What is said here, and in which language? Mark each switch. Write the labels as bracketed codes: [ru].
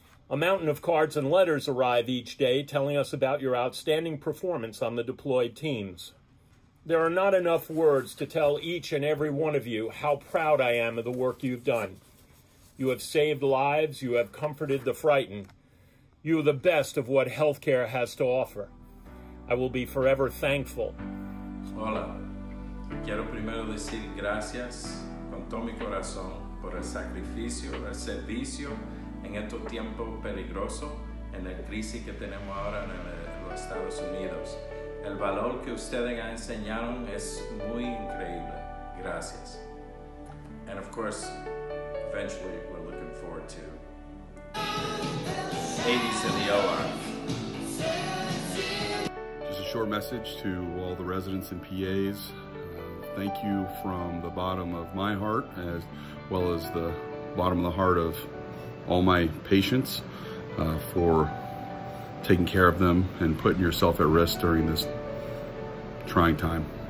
[en] A mountain of cards and letters arrive each day telling us about your outstanding performance on the deployed teams. There are not enough words to tell each and every one of you how proud I am of the work you've done. You have saved lives, you have comforted the frightened. You are the best of what healthcare has to offer. I will be forever thankful. [es] Hola. Quiero primero decir gracias con todo mi corazón por el sacrificio, el servicio en estos tiempos peligrosos, en la crisis que tenemos ahora en los Estados Unidos. El valor que ustedes han enseñado es muy increíble. Gracias. [en] And of course, eventually, we're looking forward to Hades in the OR. Just a short message to all the residents and PAs. Thank you from the bottom of my heart, as well as the bottom of the heart of all my patients, for taking care of them and putting yourself at risk during this trying time.